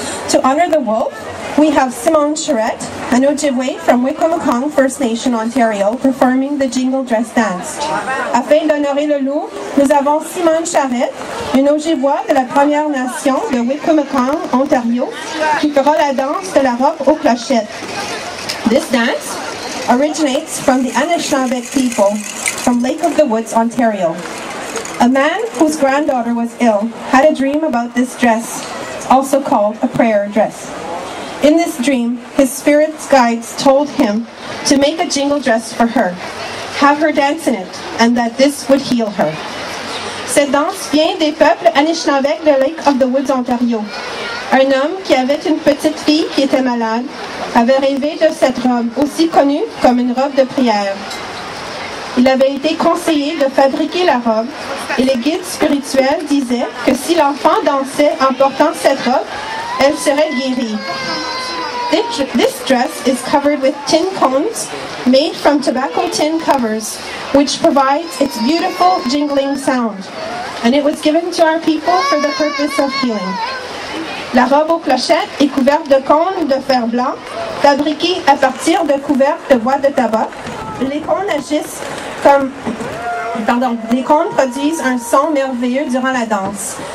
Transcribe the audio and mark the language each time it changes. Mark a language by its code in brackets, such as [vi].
[en] To honor the wolf, we have Simone Charette, an Ojibwe from Wicomicon First Nation, Ontario, performing the Jingle Dress Dance. [fr] Afin d'honorer le loup, nous avons Simone Charette, une Ojibwe de la Première Nation de Wicomicon, Ontario, qui fera la danse de la robe aux clochettes. [en] This dance originates from the Anishinaabe people from Lake of the Woods, Ontario. A man whose granddaughter was ill had a dream about this dress, also called a prayer dress. In this dream, his spirit guides told him to make a jingle dress for her, have her dance in it, and that this would heal her. [fr] Cette danse vient des peuples Anishinaabeg de Lake of the Woods, Ontario. Un homme qui avait une petite fille qui était malade avait rêvé de cette robe, aussi connue comme une robe de prière. Il avait été conseillé de fabriquer la robe, et les guides spirituels disaient que si l'enfant dansait en portant cette robe, elle serait guérie. [en] This dress is covered with tin cones made from tobacco tin covers, which provides its beautiful jingling sound. And it was given to our people for the purpose of healing. [fr] La robe aux clochettes est couverte de cônes de fer blanc, fabriquée à partir de couvercles de bois de tabac. Les cônes produisent un son merveilleux durant la danse.